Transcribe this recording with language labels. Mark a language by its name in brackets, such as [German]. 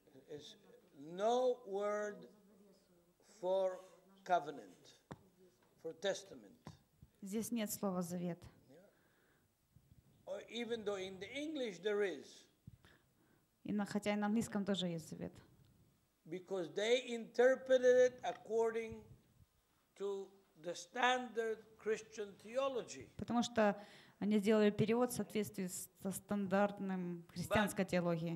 [English] Is no word for covenant, for testament. [Russian] Здесь нет слова завет. [English] Or even though in the English there is. [Russian] И на хотя и на английском тоже есть завет. [English] Because they interpreted it according to the standard Christian theology. [Russian] Потому что они сделали перевод в соответствии со стандартным христианской теологией.